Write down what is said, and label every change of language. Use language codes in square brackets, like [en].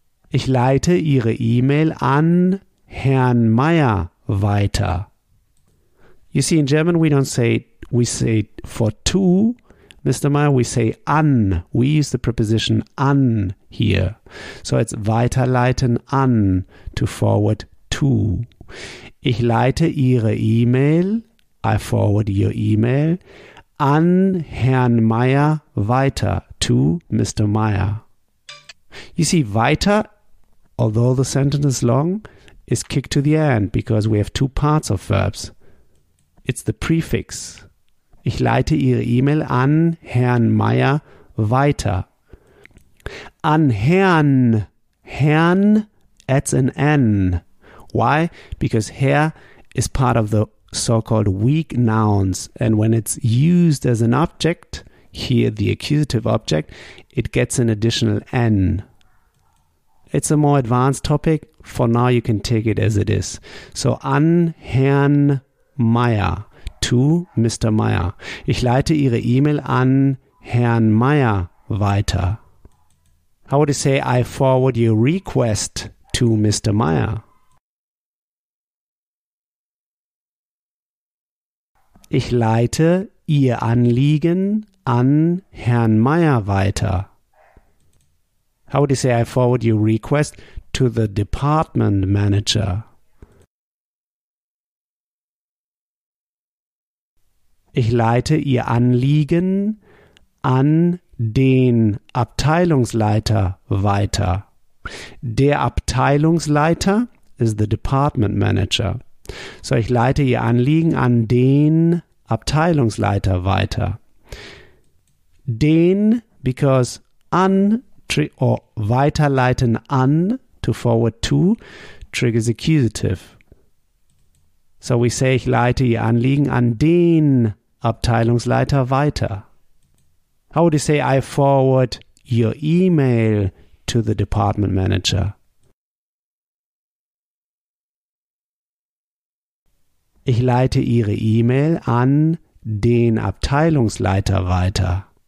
[de] Ich leite Ihre E-Mail an Herrn Meyer weiter. [en] You see, in German we say for to Mr. Meyer, we say an. We use the preposition an here. So it's weiterleiten an, to forward to. Ich leite Ihre E-Mail, I forward your email, an Herrn Meyer weiter, to Mr. Meyer. You see, weiter, although the sentence is long, is kicked to the end because we have two parts of verbs. It's the prefix. [de] Ich leite Ihre E-Mail an Herrn Meyer weiter. [en] An Herrn. Herrn adds an N. Why? Because Herr is part of the so-called weak nouns. And when it's used as an object, here the accusative object, it gets an additional N. It's a more advanced topic. For now, you can take it as it is. [de] So an Herrn Meyer. [en] To Mr. Meyer. [de] Ich leite Ihre E-Mail an Herrn Meyer weiter. [en] How would you say, I forward your request to Mr. Meyer? [de] Ich leite Ihr Anliegen an Herrn Meyer weiter. [en] How would you say, I forward your request to the department manager? [de] Ich leite Ihr Anliegen an den Abteilungsleiter weiter. [en] Der Abteilungsleiter is the department manager. [de] So ich leite Ihr Anliegen an den Abteilungsleiter weiter. [en] Den, because an or weiterleiten an, to forward to, triggers accusative. So we say, [de] ich leite Ihr Anliegen an den Abteilungsleiter weiter. [en] How would you say, I forward your email to the department manager? [de] Ich leite Ihre E-Mail an den Abteilungsleiter weiter.